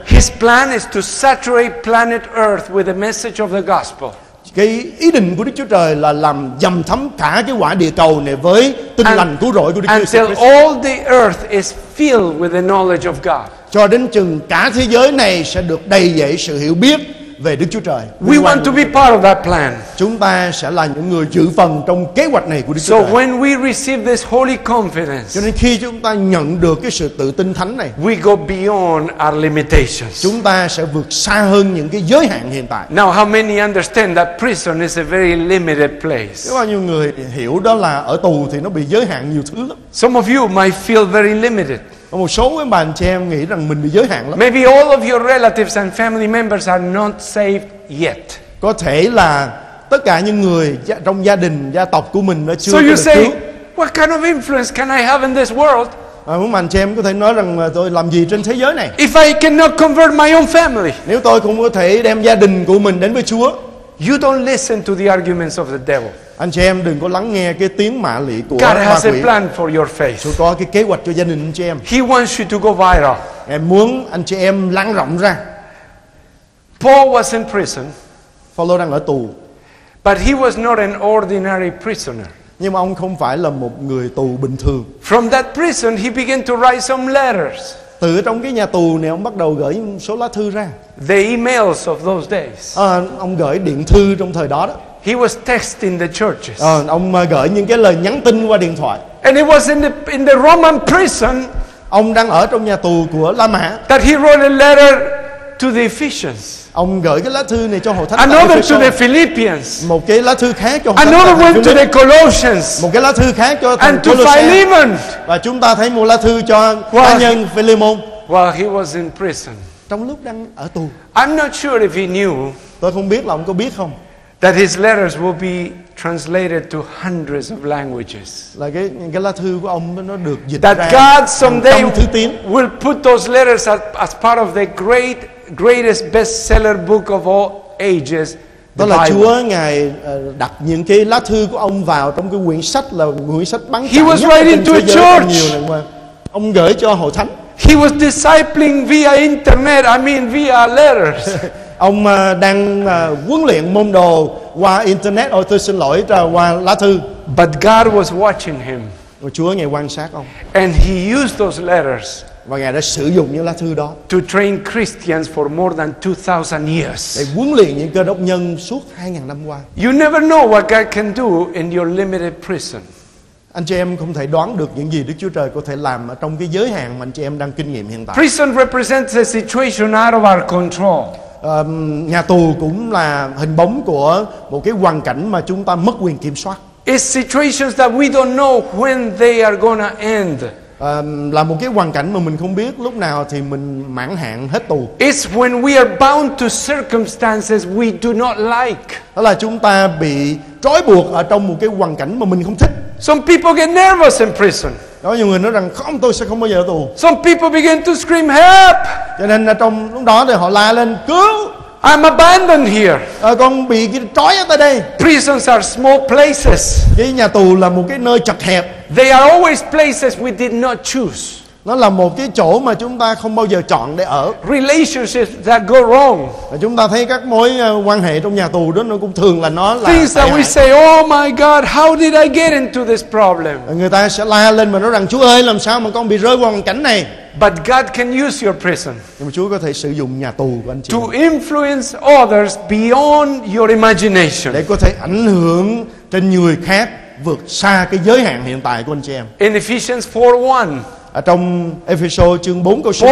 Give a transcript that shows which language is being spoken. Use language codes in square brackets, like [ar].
[en] His plan is to saturate planet Earth with the message of the gospel. [vi] Cái ý định của Đức Chúa Trời là làm dầm thấm cả cái quả địa cầu này với tin lành cứu rỗi của Đức Chúa Giêsu Christ. [en] Until all the earth is filled with the knowledge of God. [vi] Cho đến chừng cả thế giới này sẽ được đầy dẫy sự hiểu biết về Đức Chúa Trời. [en] We want to be part of that plan. [vi] Chúng ta sẽ là những người giữ phần trong kế hoạch này của Đức Chúa Trời. [en] So when we receive this holy confidence, [vi] cho nên khi chúng ta nhận được cái sự tự tin thánh này, [en] we go beyond our limitations. [vi] Chúng ta sẽ vượt xa hơn những cái giới hạn hiện tại. [en] Now how many understand that prison is a very limited place? [vi] Có bao nhiêu người hiểu đó là ở tù thì nó bị giới hạn nhiều thứ lắm. [en] Some of you might feel very limited. [vi] Một số cái bạn chị em nghĩ rằng mình bị giới hạn lắm. [en] Maybe all of your relatives and family members are not saved yet. [vi] Có thể là tất cả những người trong gia đình, gia tộc của mình nó chưa [en] so [vi] có được [en] say, what kind of influence can I have in this world? [vi] Muốn bạn chị em có thể nói rằng tôi làm gì trên thế giới này? [en] If I cannot convert my own family. [vi] Nếu tôi không có thể đem gia đình của mình đến với Chúa. [en] You don't listen to the arguments of the devil. [vi] Anh chị em đừng có lắng nghe cái tiếng mạ lị của [en] God has a plan for your faith. [vi] Chúa có cái kế hoạch cho gia đình anh chị em. [en] He wants you to go viral. [vi] Em muốn anh chị em lan rộng ra. [en] Paul was in prison. [vi] Phaolô đang ở tù. [en] But he was not an ordinary prisoner. [vi] Nhưng mà ông không phải là một người tù bình thường. [en] From that prison he began to write some letters. [vi] Từ trong cái nhà tù này ông bắt đầu gửi số lá thư ra. [en] The emails of those days. [vi] Ông gửi điện thư trong thời đó đó. [en] He was texting the churches. [vi] Ông gửi những cái lời nhắn tin qua điện thoại. [en] And it was in the Roman prison. [vi] Ông đang ở trong nhà tù của La Mã. [en] That he wrote a letter to the Ephesians. [vi] Ông gửi cái lá thư này cho hội thánh. [en] Another to the Philippians. [vi] Một cái lá thư khác cho hội thánh. [en] Another one to the Colossians. [vi] Một cái lá thư khác cho thánh. [en] And to Philemon. [vi] Và chúng ta thấy một lá thư cho cá nhân Philemon. [en] While he was in prison. [vi] Trong lúc đang ở tù. [en] I'm not sure if he knew. [vi] Tôi không biết là ông có biết không. [en] That his letters will be translated to hundreds of languages. [vi] Là cái lá thư của ông nó được dịch [en] that [vi] ra. [en] God someday will put those letters as part of the greatest bestseller book of all ages. [vi] Đó là Chúa ngài đặt những cái lá thư của ông vào trong cái quyển sách là quyển sách bán chạy nhất trên thế giới nhiều lần qua. Ông gửi cho hội thánh. [en] He was discipling via internet. I mean via letters. [vi] Ông đang huấn luyện môn đồ qua internet. Ôi tôi xin lỗi, qua lá thư. [en] But God was watching him. [vi] Chúa ngài quan sát ông. [en] And he used those letters. [vi] và Ngài đã sử dụng những lá thư đó [en] to train Christians for more than 2000 years. [vi] Để huấn luyện những Cơ Đốc nhân suốt 2000 năm qua. [en] You never know what God can do in your limited prison. [vi] Anh chị em không thể đoán được những gì Đức Chúa Trời có thể làm ở trong cái giới hạn mà anh chị em đang kinh nghiệm hiện tại. [en] Prison represents a situation out of our control. [vi] Nhà tù cũng là hình bóng của một cái hoàn cảnh mà chúng ta mất quyền kiểm soát. [en] It's situations that we don't know when they are going to end. [vi] Là một cái hoàn cảnh mà mình không biết lúc nào thì mình mãn hạn hết tù. [en] It's when we are bound to circumstances we do not like. [vi] Đó là chúng ta bị trói buộc ở trong một cái hoàn cảnh mà mình không thích. [en] Some people get nervous in prison. [vi] Có nhiều người nói rằng không, tôi sẽ không bao giờ ở tù. [en] Some people begin to scream help. [vi] Cho nên ở trong lúc đó thì họ la lên cứu. [en] I'm abandoned here. [vi] Con bị trói ở tại đây. [en] Prisons are small places. [vi] Cái nhà tù là một cái nơi chật hẹp. [en] They are always places we did not choose. [vi] Nó là một cái chỗ mà chúng ta không bao giờ chọn để ở. [en] Relationships that go wrong. [vi] Chúng ta thấy các mối quan hệ trong nhà tù đó nó cũng thường là nó là [en] things that we say, oh my God, how did I get into this problem? [vi] Người ta sẽ la lên mà nói rằng Chúa ơi, làm sao mà con bị rơi vào hoàn cảnh này? [en] But God can use your prison. [vi] Nhưng Chúa có thể sử dụng nhà tù của anh chị [en] to influence others beyond your imagination. [vi] Để có thể ảnh hưởng trên người khác vượt xa cái giới hạn hiện tại của anh chị em. [en] In Ephesians 4:1. [vi] Ở trong Ephesians chương 4 câu số 1.